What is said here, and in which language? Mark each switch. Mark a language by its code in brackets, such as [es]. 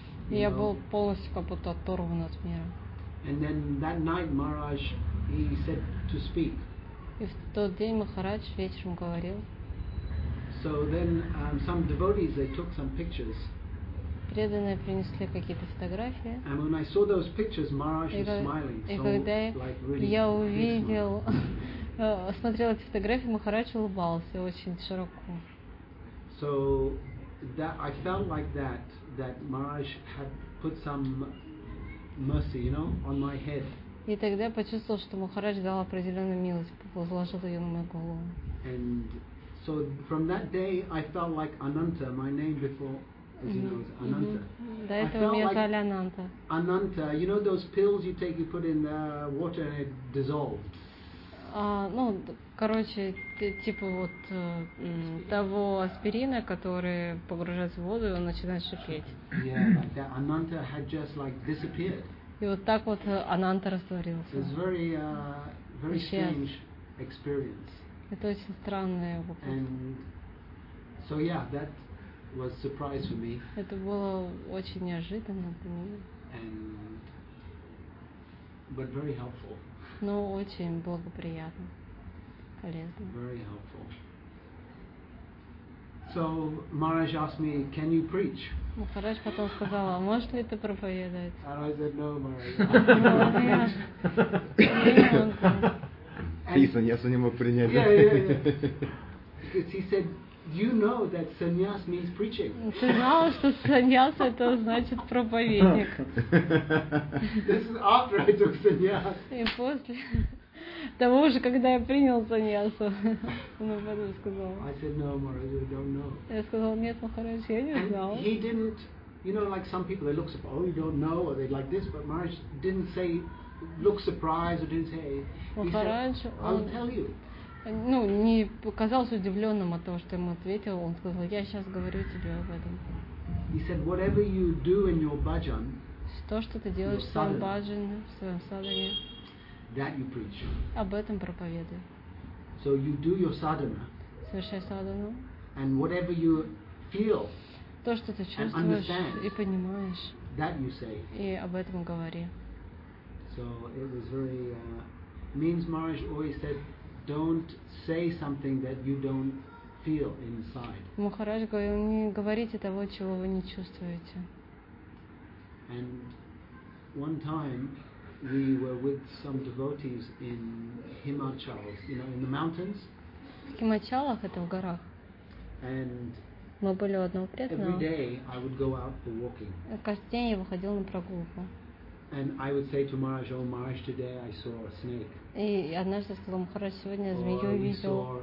[ru] Я был полностью как будто оторван от мира. [en] And then that night, Maharaj, he said to speak. [ru] И в тот день Махарадж вечером говорил. [en] So then some devotees, they took some pictures. [ru] Преданные принесли какие-то фотографии. [en] And when I saw those pictures, Maharaj was smiling. [ru] И когда я увидел, смотрел эти фотографии, Махарадж улыбался очень широко. [en] So that I felt like that, that Maharaj had put some mercy, you know, on my head. [ru] И тогда я почувствовал, что Махарадж дал определенную милость, возложил ее на мою голову. [en] And so from that day I felt like Ananta, my name before, as you know, is Ananta. [ru] До этого меня звали Ананта. [en] Ananta, you know those pills you take, you put in the water and it dissolves. [ru] Ну, короче, типа вот того аспирина, который погружается в воду, и он начинает шипеть. [en] Yeah, like Ananta had just like disappeared. [ru] И вот так вот Ананта растворился. [en] It's very, very strange experience. [ru] Это очень странный опыт. [en] And so yeah, that was a surprise for me. [ru] Это было очень неожиданно для меня. [en] And but very helpful. [ru] Но очень благоприятно, полезно. [en] Very helpful. So Maharaj asked me, can you preach? [ru] Махарадж потом сказал, а можешь ли ты проповедовать? [en] And I said, no, Maharaj. [ru] Саньяс не мог принять. [en] Yeah, yeah, yeah. Because he said, you know that sannyas means preaching. [ru] Ты знал, что sannyas это значит проповедник. [en] This is after I took sannyas. [ru] И после того уже, когда я принял sannyas, он об этом сказал. [en] I said no, Maharaj, I don't know. [ru] Я сказал нет, Махарадж, я не знал. [en] He didn't, you know, like some people, they look surprised, oh, you don't know, or they like this, but Maharaj didn't say, look surprised, or didn't say. [ru] Махарадж, [en] I'll tell you. [ru] Ну, не показался удивленным от того, что ему ответил. Он сказал, я сейчас говорю тебе об этом. [en] He said, whatever you do in your bhajan, [ru] то, что ты делаешь в своем bhajan, в своем sadhana, [en] that you preach. [ru] Об этом проповедуй. [en] So you do your sadhana. [ru] Совершай sadhana. [en] And whatever you feel, [ru] то, что ты чувствуешь и понимаешь, [en] that you say. [ru] И об этом говори. [en] So it was very, means Maharaj always said, don't say something that you don't feel inside. [ru] Махарадж говорил, не говорите того, чего вы не чувствуете. [en] And one time we were with some devotees in Himachals, you know, in the mountains. [ru] В Химачалах, это в горах. [en] And [ru] мы были у одного преданного. [en] Every day I would go out for walking. [ru] Каждый день я выходил на прогулку. [en] And I would say to Maharaj, oh Maharaj, today I saw a snake. [ru] И однажды я сказал, Махарадж, сегодня я змею видел.